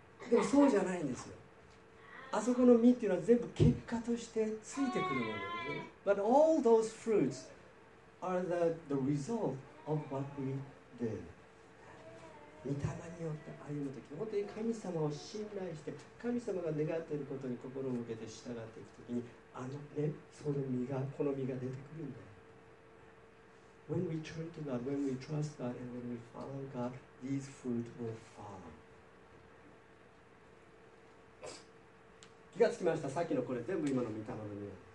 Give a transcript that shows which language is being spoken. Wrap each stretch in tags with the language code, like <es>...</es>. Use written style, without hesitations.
<ja>でもそうじゃないんですよ。あそこの実っていうのは全部結果としてついてくるものです。</ja> <en>But all those fruits are the result of what we do.</en> <ja>御霊によって歩むとき、本当に神様を信頼して、神様が願っていることに心を向けて従っていくときに、あのね、その実が、この実が出てくるんだよ。</ja> <en>When we turn to God, when we trust God, and when we follow God, these fruit will follow.</en> <ja>気がつきました。さっきのこれ、全部今の御霊の実。</ja>